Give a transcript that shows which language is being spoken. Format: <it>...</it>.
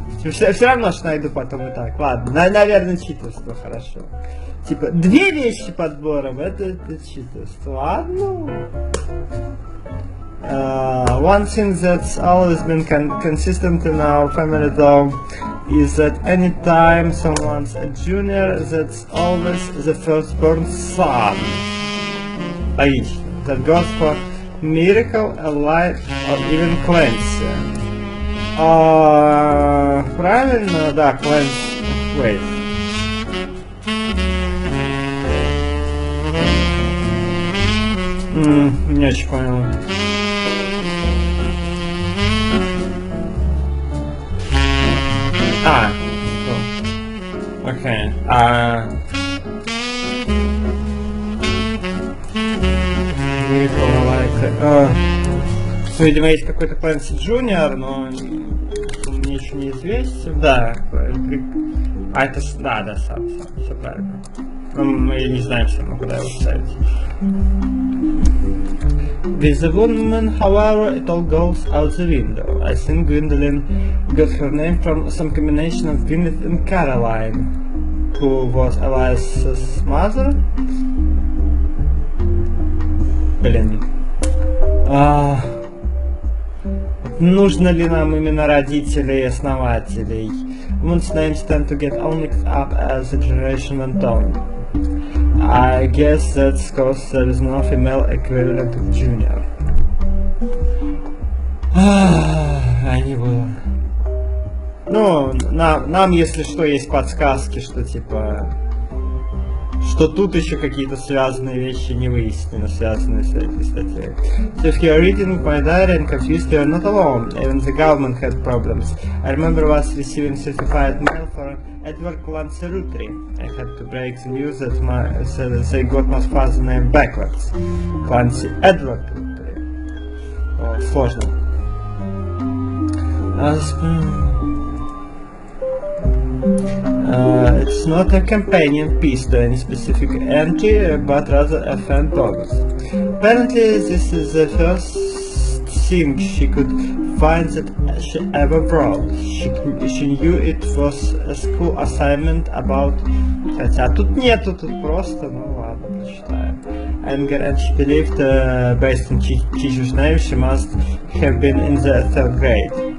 <ru>Все равно что найду потом и так. Ладно, наверное, читерство, хорошо. Типа, две вещи подбором, это читерство. Ладно.</ru> <en>One thing that's always been consistent in our family though is that anytime someone's a junior, that's always the firstborn son.</en> <ru>Логично.</ru> <en>That goes for Miracle, Alive, or even Clancy.</en> <ru>Правильно, да, Clancy.</ru> <en>Wait.</en> <ru>Не очень понял. А, что? Окей. А. Miracle Alive. Видимо, есть какой-то Clancy Junior, но мне еще не известен. Да. А это да, да, сам, сам, все правильно. Мы не знаем, что мы куда его ставить.</ru> <en>With the woman, however, it all goes out the window. I think Gwendolyn got her name from some combination of Gwyneth and Caroline, who was Elias's mother.</en> <ru>Блин. Нужно ли нам именно родителей и основателей?</ru> <en>Women's names tend to get all mixed up as the generation went on. I guess that's because there is no female equivalent of junior.</en> <ru>Я не буду. Ну, нам, если что, есть подсказки, что типа... что тут еще какие-то связанные вещи не выяснили, связанные с этой статьей.</ru> <en>So if you are reading my diary and confused, you are not alone. Even the government had problems. I remember once receiving certified mail for Edward Lanzarutri. I had to break the news that they got my father's name backwards. Clancy Edward Lanzarutri.</en> <ru>Сложно.</ru> <en>It's not a companion piece to any specific entry, but rather a fan bonus. Apparently, this is the first thing she could find that she ever brought. She knew it was a school assignment about...</en> <ru>Хотя тут нету, тут просто, ну ладно, прочитаем.</ru> <en>Anger, and she believed, based on Chichu's name, she must have been in the third grade.</en>